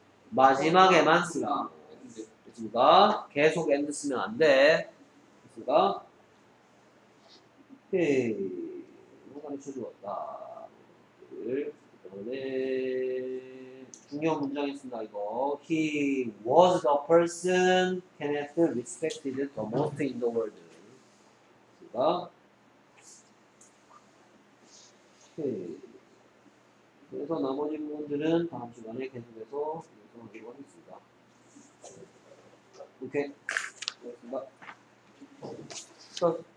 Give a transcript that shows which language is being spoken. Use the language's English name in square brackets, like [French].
[Korean] 마지막에만 쓰라. 됐습니까? 계속 and 쓰면 안 돼. 됐습니까? 오케이. 쳐주었다. 이번에 중요한 문장이 있습니다. 이거 [English] He was the person Kenneth respected the most in the world. [Korean] 그러니까 그래서 나머지 부분들은 다음 시간에 계속해서 연습하고 있습니다. 오케이. 됐습니다.